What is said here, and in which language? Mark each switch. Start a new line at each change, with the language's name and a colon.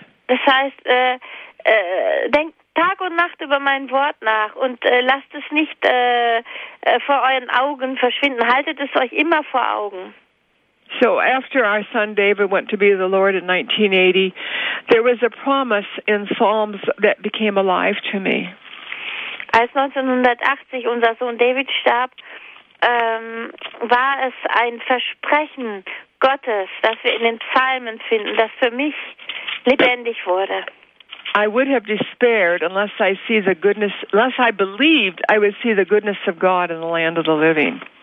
German: Das heißt, denkt Tag und Nacht über mein Wort nach und lasst es nicht vor euren Augen verschwinden. Haltet es euch immer vor Augen.
English: So after our son David went to be the Lord in 1980, there was a promise in Psalms that became alive to me.
German: Als 1980 unser Sohn David starb, war es ein Versprechen Gottes, das wir in den Psalmen finden, das für mich lebendig wurde.
English: I would have despaired unless I believed I would see the goodness of God in the land of the living.